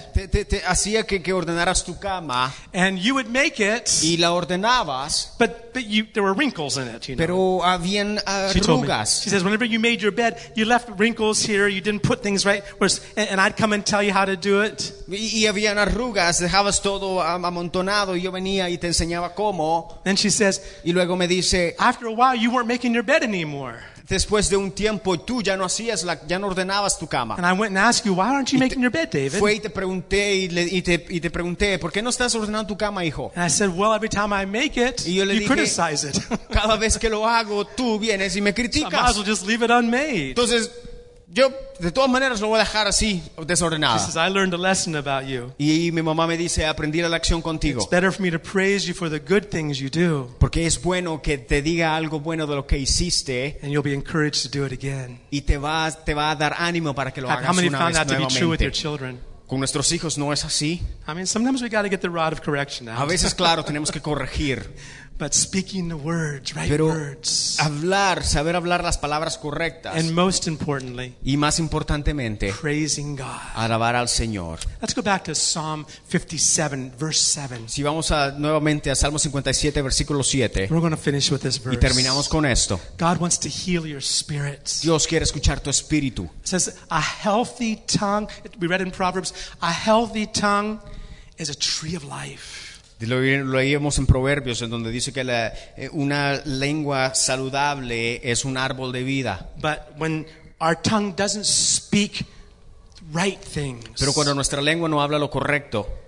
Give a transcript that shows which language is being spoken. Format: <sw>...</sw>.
<es>Te hacía que ordenaras tu cama.</es> <en>And you would make it.</en> <es>Y la ordenabas.</es> <en>But there were wrinkles in it, you know.</en> <es>Pero habían arrugas.</es> <en>She says, "Whenever you made your bed, you left wrinkles here. You didn't put things right." And I'd come and tell you how to do it.</en> <es>Y habían arrugas. Dejabas todo amontonado. Yo venía y te enseñaba cómo.</es> <en>Then she says.</en> <es>Y luego me dice.</es> <en>After a while, you weren't making your bed anymore.</en> <es>Después de un tiempo, tú ya no hacías, ya no ordenabas tu cama.</es> <en>And I went and asked you, "Why aren't you making your bed, David?"</en> <es>Fui y te pregunté y te pregunté, "¿Por qué no estás ordenando tu cama, hijo?"</es> <en>And I said, "Well, every time I make it, you</en> <es>dije,</es> <en>criticize it."</en> <es>Cada vez que lo hago, tú vienes y me criticas.</es> <en>So I might as well just leave it unmade.</en> <es>Entonces, yo de todas maneras lo voy a dejar así, desordenado.</es> <en>She says, "I learned a lesson about you."</en> <es>Y mi mamá me dice, "Aprendí la lección contigo."</es> <en>It's better for me to praise you for the good things you do.</en> <es>Porque es bueno que te diga algo bueno de lo que hiciste.</es> <en>And you'll be encouraged to do it again.</en> <es>Y te va a dar ánimo para que lo hagas una vez nuevamente.</es> <en>How many found that to be true with your children?</en> <es>Con nuestros hijos no es así.</es> <en>I mean, sometimes we got to get the rod of correction out.</en> <es>A veces, claro, tenemos que corregir.</es> <en>But speaking the words, right</en> <es>Pero</es> <en>words.</en> <es>Hablar, saber hablar las palabras correctas.</es> <en>And most importantly,</en> <es>y más importantemente,</es> <en>praising God.</en> <es>Alabar al Señor.</es> <en>Let's go back to Psalm 57, verse 7.</en> <es>Si vamos nuevamente a Salmo 57, versículo 7.</es> <en>We're going to finish with this verse.</en> <es>Y terminamos con esto.</es> <en>God wants to heal your spirit.</en> <es>Dios quiere escuchar tu espíritu.</es> <en>It says, a healthy tongue, we read in Proverbs, a healthy tongue is a tree of life.</en> <es>Lo leíamos en Proverbios, en donde dice que una lengua saludable es un árbol de vida.</es> <en>But when our tongue doesn't speak right things,</en> <es>pero cuando nuestra lengua no habla lo correcto,</es>